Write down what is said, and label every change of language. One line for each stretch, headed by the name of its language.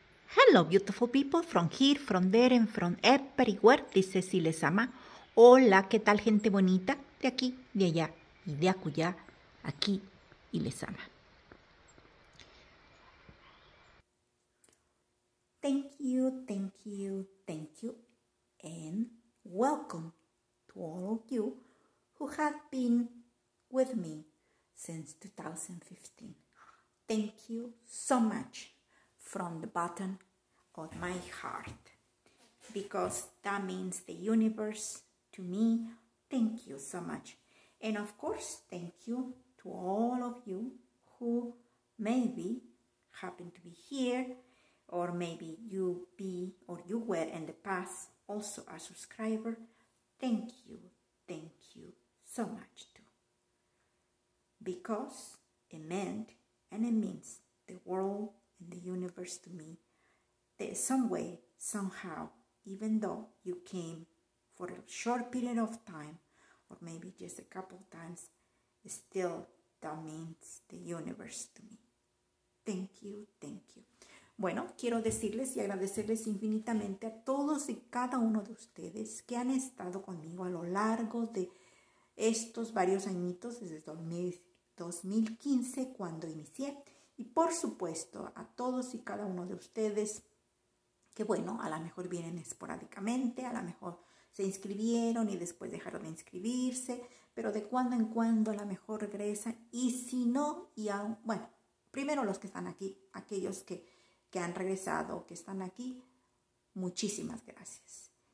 English: Hello, beautiful people, from here, from there, and from everywhere,
Spanish: dice LezAma. Hola, ¿qué tal, gente bonita? De aquí, de allá, y de acullá, aquí, y LezAma.
English: Thank you, thank you, thank you, and welcome to all of you who have been with me since 2015. Thank you so much from the bottom of my heart, because that means the universe to me. Thank you so much. And of course, thank you to all of you who maybe happen to be here, or maybe you be or you were in the past also a subscriber. Thank you. Thank you so much too. Because it meant and it means the world and the universe to me. That some way, somehow, even though you came for a short period of time, or maybe just a couple of times, still that means the universe to me. Thank you, thank you.
Spanish: Bueno, quiero decirles y agradecerles infinitamente a todos y cada uno de ustedes que han estado conmigo a lo largo de estos varios añitos, desde 2015 cuando inicié, y por supuesto a todos y cada uno de ustedes que, bueno, a lo mejor vienen esporádicamente, a lo mejor se inscribieron y después dejaron de inscribirse, pero de cuando en cuando a lo mejor regresan, y si no, y aún, bueno, primero los que están aquí, aquellos que han regresado, que están aquí, muchísimas gracias.